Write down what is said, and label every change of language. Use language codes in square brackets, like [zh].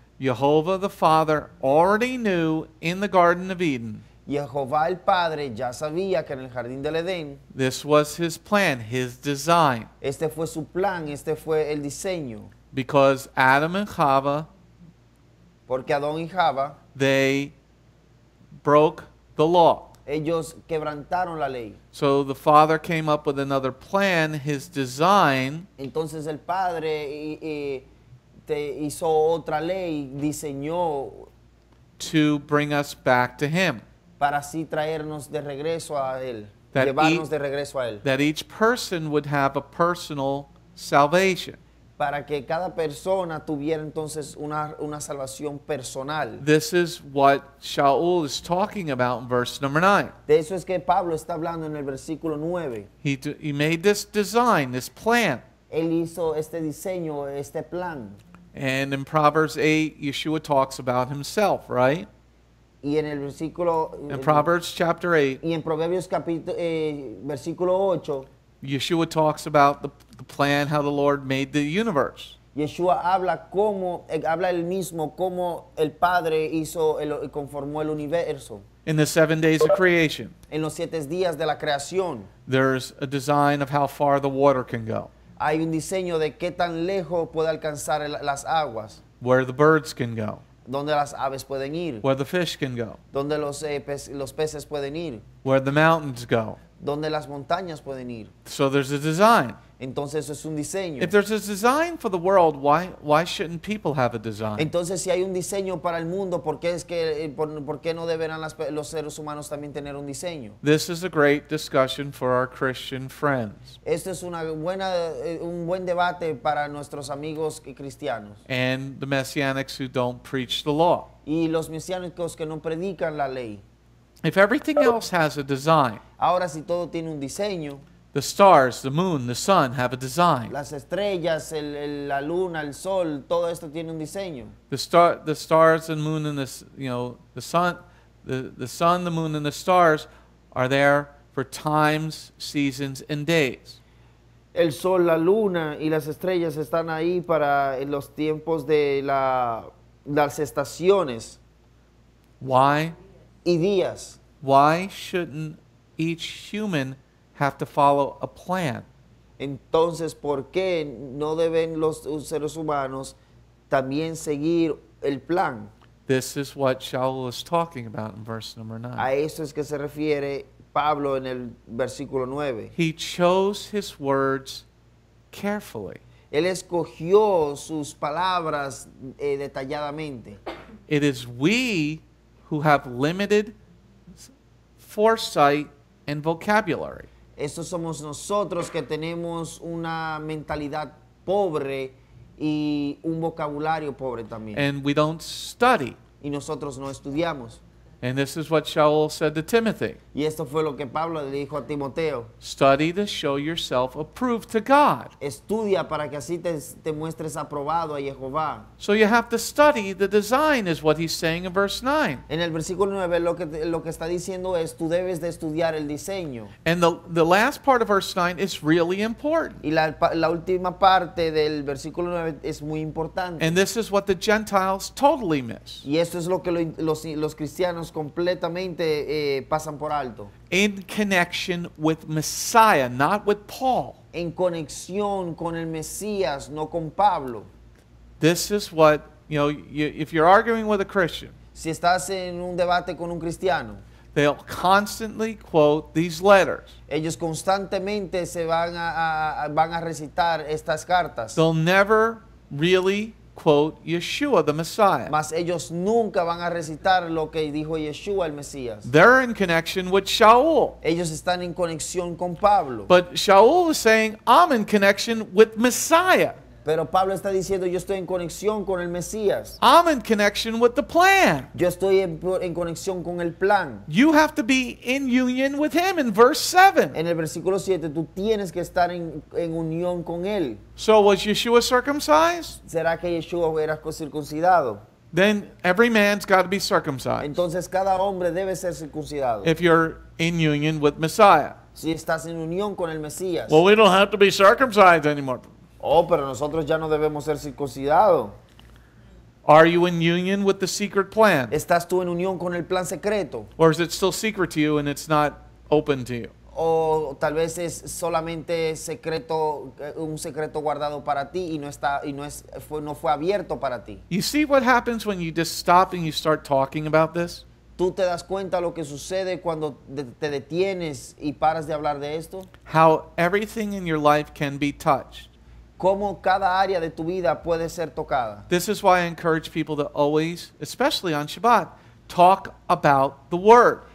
[en] Yehovah the Father already knew in the Garden of Eden. [es] Yehovah el Padre ya sabía que en el Jardín del Edén. [en] This was his plan, his design. [es] Este fue su plan, este fue el diseño. [en] Because Adam and Chava, [es] porque Adón y Java, [en] they broke the law. [es] Ellos quebrantaron la ley. [en] So the Father came up with another plan, his design. [es] Entonces el Padre te hizo otra ley, diseñó. [en] To bring us back to him. [es] Para así traernos de regreso a él, llevarnos de regreso a él. [en] That each person would have a personal salvation. [es] Para que cada persona tuviera entonces una salvación personal. [en] This is what Sha’ul is talking about in verse number 9. [es] De eso es que Pablo está hablando en el versículo 9. [en] He made this design, this plan. [es] Él hizo este diseño, este plan. [en] And in Proverbs 8, Yeshua talks about himself, right? [es] Y en el versículo... [en] In Proverbs chapter 8. [es] Y en Proverbios versículo 8. [en] Yeshua talks about the plan, how the Lord made the universe. [es] Yeshua habla el mismo como el Padre hizo conformó el universo. [en] In the 7 days of creation. [es] En los 7 días de la creación. [en] There's a design of how far the water can go. [es] Hay un diseño de qué tan lejos puede alcanzar las aguas. [en] Where the birds can go. [es] Donde las aves pueden ir. [en] Where the fish can go. [es] Donde los peces pueden ir. [en] Where the mountains go. [es] Donde las montañas pueden ir. [en] So there's a design. [es] Entonces eso es un diseño. [en] If there's a design for the world, why shouldn't people have a design? [es] Entonces si hay un diseño para el mundo, ¿por qué no deberán los seres humanos también tener un diseño? [en] This is a great discussion for our Christian friends. [es] Esto es un buen debate para nuestros amigos cristianos. [en] And the messianics who don't preach the law. [es] Y los mesiánicos que no predican la ley. [en] If everything else has a design, [es] ahora, si todo tiene un diseño, [en] the stars, the moon, the sun have a design. [es] Las estrellas, la luna, el sol, todo esto tiene un diseño. [en] The stars, the moon, and the sun, the moon, and the stars are there for times, seasons, and days. [es] El sol, la luna, y las estrellas están ahí para los tiempos de las estaciones. [en] Why? [es] Y días. [en] Why shouldn't each human have to follow a plan? [es] Entonces, ¿por qué no deben los seres humanos también seguir el plan? [en] This is what Sha’ul is talking about in verse number 9. [es] A eso es que se refiere Pablo en el versículo 9. [en] He chose his words carefully. [es] Él escogió sus palabras detalladamente. [en] It is we who have limited foresight and vocabulary. [es] Estos somos nosotros que tenemos una mentalidad pobre y un vocabulario pobre también. [en] And we don't study. [es] Y nosotros no estudiamos. [en] And this is what Sha’ul said to Timothy. [es] Y esto fue lo que Pablo le dijo a Timoteo. [en] Study to show yourself approved to God. [es] Estudia para que así te muestres aprobado a Jehovah. [en] So you have to study the design, is what he's saying in verse 9. [es] En el versículo 9 lo que está diciendo es tú debes de estudiar el diseño. [en] And the last part of verse 9 is really important. [es] Y la última parte del versículo 9 es muy importante. [en] And this is what the Gentiles totally miss. [es] Y esto es lo que los cristianos completamente pasan por alto. [en] In connection with Messiah, not with Paul. [es] En conexión con el Mesías, no con Pablo. [en] This is what, you know, if you're arguing with a Christian, [es] si estás en un debate con un cristiano, [en] they'll constantly quote these letters. [es] Ellos constantemente se van a recitar estas cartas. [en] They'll never really quote Yeshua the Messiah. [es] Mas ellos nunca van a recitar lo que dijo Yeshua el Mesías. [en] They're in connection with Sha’ul. [es] Ellos están en conexión con Pablo. [en] But Sha’ul is saying, I'm in connection with Messiah. [es] Pero Pablo está diciendo, yo estoy en conexión con el Mesías. [en] I'm in connection with the plan. [es] Yo estoy en conexión con el plan. [en] You have to be in union with him in verse 7. [es] En el versículo 7, tú tienes que estar en unión con él. [en] So was Yeshua circumcised? [es] ¿Será que Yeshua era circuncidado? [en] Then every man's got to be circumcised. [es] Entonces cada hombre debe ser circuncidado. [en] If you're in union with Messiah. [es] Si estás en unión con el Mesías. [en] Well, we don't have to be circumcised anymore. [es] Oh, pero nosotros ya no debemos ser circuncidados. [en] Are you in union with the secret plan? [es] ¿Estás tú en unión con el plan secreto? [en] Or is it still secret to you and it's not open to you? [es] O tal vez es solamente secreto, un secreto guardado para ti y no fue abierto para ti. [en] You see what happens when you just stop and you start talking about this? [es] ¿Tú te das cuenta lo que sucede cuando te detienes y paras de hablar de esto? [en] How everything in your life can be touched. [es] Cómo cada área de tu vida puede ser tocada. [en] This is why I encourage people to always, especially on Shabbat, talk about the word.